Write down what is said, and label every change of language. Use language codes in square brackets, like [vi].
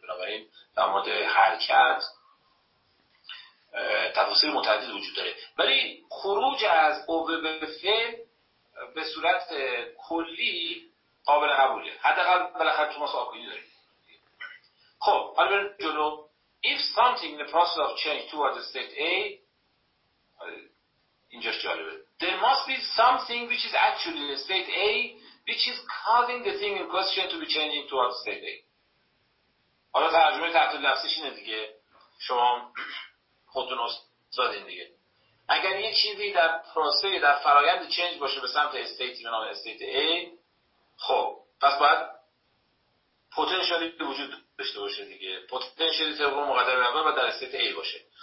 [fa] بنابراین در مورد حرکت تفاصیل متعدد وجود داره، ولی خروج از قوه به فعل به صورت کلی قابل قبوله. حداقل بالاخره تو ما ساکنی داریم. خب حالا بریم جلو. [en] If something in the process of change toward the state A، [fa] اینجاش جالبه، [en] there must be something which is actually in the state A which is causing the thing in question to be changing towards state A. [fa] حالا ترجمه تعطیل لفظش اینه دیگه، شما خودتون استادین دیگه. اگر یه چیزی در پروسه در فرایند چنج باشه به سمت استیتی به نام استیت A، خب پس باید پتانسیالی وجود داشته باشه دیگه، پتانسیالی طبق مقدمه اول باید در استیت A باشه.